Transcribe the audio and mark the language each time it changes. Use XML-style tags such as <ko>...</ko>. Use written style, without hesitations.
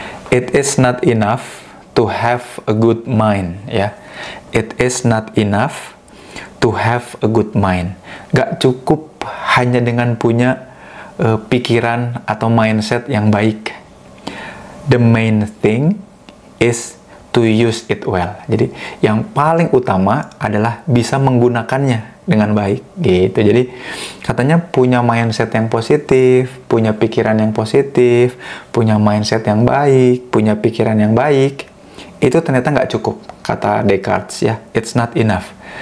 <en>It is not enough to have a good mind ya. It is not enough to have a good mind.</en> <id>Gak cukup hanya dengan punya pikiran atau mindset yang baik.</id> <en>The main thing is to use it well.</en> <id>Jadi yang paling utama adalah bisa menggunakannya dengan baik gitu. Jadi katanya punya mindset yang positif, punya pikiran yang positif, punya mindset yang baik, punya pikiran yang baik, itu ternyata nggak cukup, kata Descartes ya.</id> <en>It's not enough.</en>